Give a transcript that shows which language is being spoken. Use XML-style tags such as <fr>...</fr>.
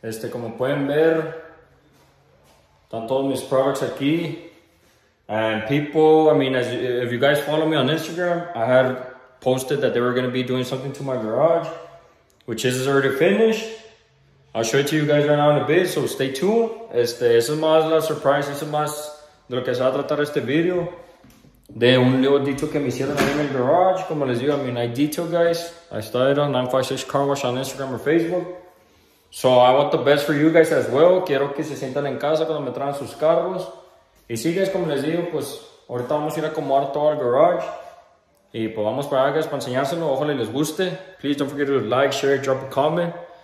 <es>Como pueden ver, están todos mis products aquí.</es> <en>And people, I mean, if you guys follow me on Instagram, I had posted that they were going to be doing something to my garage, which is already finished. I'll show it to you guys right now in a bit, so stay tuned.</en> <es>Eso es más la surprise, eso es más de lo que se va a tratar este video. De un</es> <en>little detail</en> <es>que me hicieron ahí en el garage. Como les digo,</es> <en>I mean, I detail, guys. I started on 956 Car Wash on Instagram or Facebook. So I want the best for you guys as well.</en> <es>Quiero que se sientan en casa cuando me traen sus carros. Y sí, guys, como les digo, pues ahorita vamos a ir a acomodar todo el garage. Y pues vamos para allá, guys, para enseñárselo. Ojalá les guste.</es> <en>Please don't forget to like, share, drop a comment.</en>